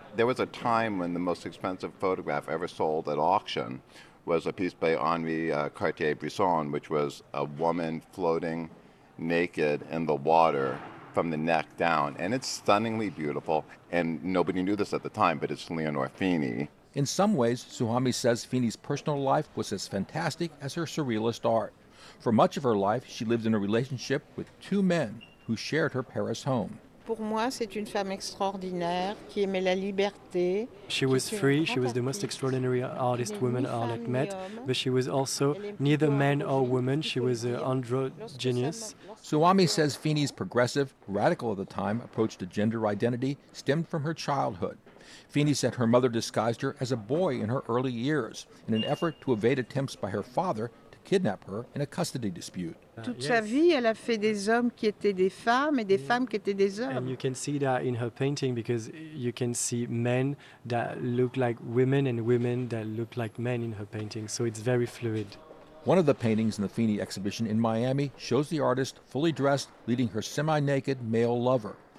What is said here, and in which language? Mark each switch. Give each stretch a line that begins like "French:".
English: There was a time when the most expensive photograph ever sold at auction was a piece by Henri Cartier-Bresson, which was a woman floating naked in the water from the neck down. And it's stunningly beautiful, and nobody knew this at the time, but it's Leonor Feeney. In some ways, Suhami says Feeney's personal life was as fantastic as her surrealist art. For much of her life, she lived in a relationship with two men who shared her Paris home.
French: Pour moi, c'est une femme extraordinaire qui aimait la liberté.
English: She was free. She was the most extraordinary artist woman Arlette met. But she was also neither man or woman. She was androgynous. Suhami says Feeney's progressive, radical at the time, approach to gender identity stemmed from her childhood. Feeney said her mother disguised her as a boy in her early years in an effort to evade attempts by her father to kidnap her in a custody dispute.
French: Toute sa vie, elle a fait des hommes qui étaient des femmes et des femmes qui étaient des hommes.
English: And you can see that in her painting because you can see men that look like women and women that look like men in her painting. So it's very fluid. One of the paintings in the Feeney exhibition in Miami shows the artist fully dressed, leading her semi-naked male lover.